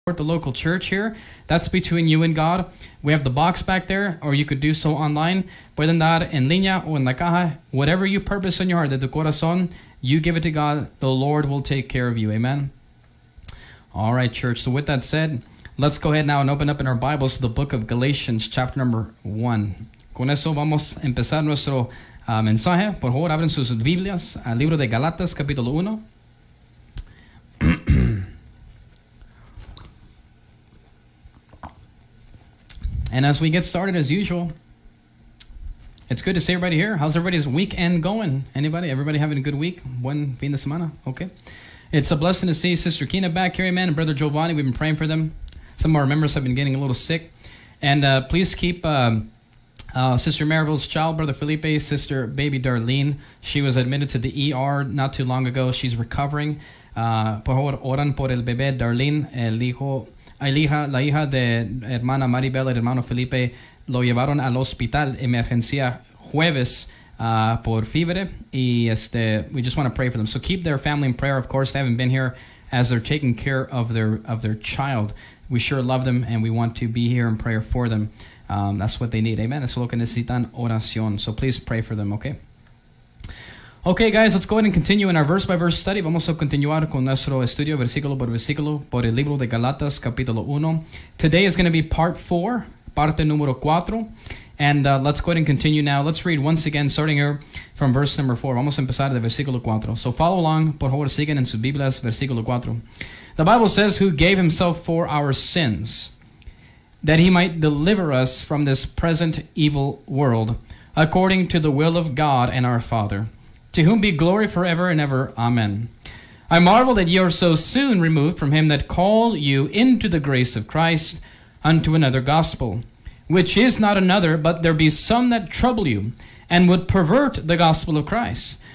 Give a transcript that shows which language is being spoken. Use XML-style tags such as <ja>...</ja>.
<en>support the local church here, that's between you and God. We have the box back there, or you could do so online.</en> <es>Pueden dar en línea o en la caja.</es> <en>Whatever you purpose in your heart,</en> <es>de tu corazón,</es> <en>you give it to God. The Lord will take care of you. Amen. All right, church. So with that said, let's go ahead now and open up in our Bibles to the book of Galatians, chapter number 1.</en> <es>Con eso vamos a empezar nuestro mensaje. Por favor, abren sus Biblias al libro de Galatas, capítulo 1.</es> <en>And as we get started, as usual, it's good to see everybody here. How's everybody's weekend going? Anybody? Everybody having a good week?</en> <es>Buen fin de semana?</es> <en>Okay. It's a blessing to see Sister Kina back here, amen, and Brother Giovanni. We've been praying for them. Some of our members have been getting a little sick. And please keep Sister Maribel's child, Brother Felipe, Sister Baby Darlene. She was admitted to the ER not too long ago. She's recovering.</en> <es>Por favor, oran por el bebé Darlene, el hijo... La hija de hermana Maribel y hermano Felipe lo llevaron al hospital emergencia jueves por fiebre. Y este,</es> <en>we just want to pray for them. So keep their family in prayer. Of course, they haven't been here as they're taking care of their child. We sure love them and we want to be here in prayer for them. That's what they need. Amen.</en> <es>Es lo que necesitan, oración.</es> <en>So please pray for them, okay? Okay, guys, let's go ahead and continue in our verse-by-verse study.</en> <es>Vamos a continuar con nuestro estudio versículo por versículo por el libro de Galatas, capítulo 1.</es> <en>Today is going to be part 4,</en> <es>parte número 4.</es> <en>And let's go ahead and continue now. Let's read once again, starting here from verse number 4.</en> <es>Vamos a empezar de versículo 4.</es> <en>So follow along,</en> <es>por favor, sigan en sus Biblias, versículo 4.</es> <en>The Bible says, who gave himself for our sins, that he might deliver us from this present evil world, according to the will of God and our Father. To whom be glory forever and ever. Amen. I marvel that ye are so soon removed from him that called you into the grace of Christ unto another gospel, which is not another, but there be some that trouble you and would pervert the gospel of Christ.</en>